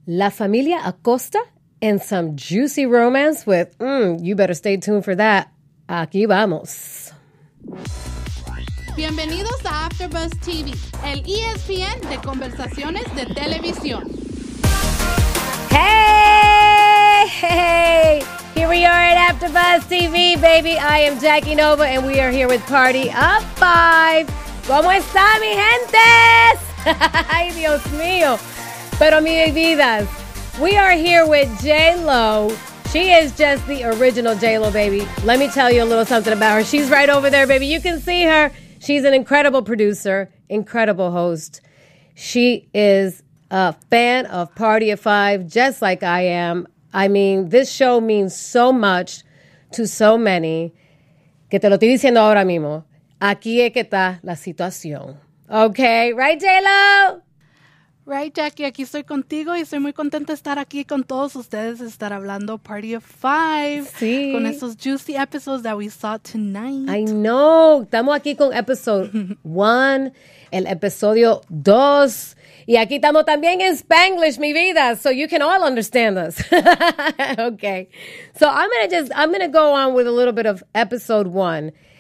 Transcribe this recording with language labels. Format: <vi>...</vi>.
<en>La Familia Acosta and some juicy romance with, you better stay tuned for that.</en> <es>Aquí vamos. Bienvenidos a AfterBuzz TV, el ESPN de conversaciones de televisión.</es> <en>Hey! Here we are at AfterBuzz TV, baby. I am Jackie Nova, and we are here with Party of Five.</en> <es>¿Cómo está, mi gente? Ay, Dios mío. Pero mi vidas,</es> <en>we are here with J-Lo. She is just the original J-Lo, baby. Let me tell you a little something about her. She's right over there, baby. You can see her. She's an incredible producer, incredible host. She is a fan of Party of Five, just like I am. I mean, this show means so much to so many.</en> <es>Que te lo estoy diciendo ahora mismo. Aquí es que está la situación.</es> <en>Okay, right, J-Lo? Right,</en> <es>Jackie, aquí estoy contigo y estoy muy contenta de estar aquí con todos ustedes, estar hablando Party of Five. Sí. Con esos</es> <en>juicy episodes that we saw tonight. I know.</en> <es>Estamos aquí con</es> <en>episode one,</en> <es>el episodio dos. Y aquí estamos también en Spanglish, mi vida,</es> <en>so you can all understand us. Okay. So I'm gonna go on with a little bit of episode one.</en>